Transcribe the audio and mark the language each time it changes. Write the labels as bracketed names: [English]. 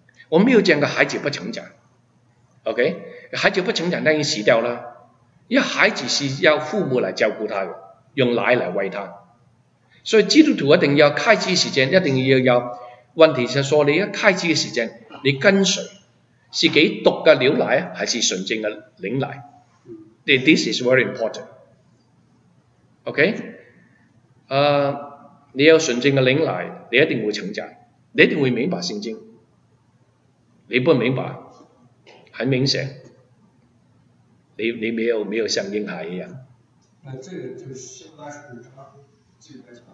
[Chinese] 我没有见过孩子不成长 ，OK？ 孩子不成长，那已经死掉了，因为孩子是要父母来照顾他的，用奶来喂他。所以基督徒一定要开始时间，一定要有问题是说，你一开始时间你跟谁，是给毒的牛奶还是纯正的灵奶？ [English] This is very important， OK？ [Chinese] 你有纯正的灵奶，你一定会成长，你一定会明白圣经。你不明白很明显，你没有像婴孩一样。那这个就是现在是他自己在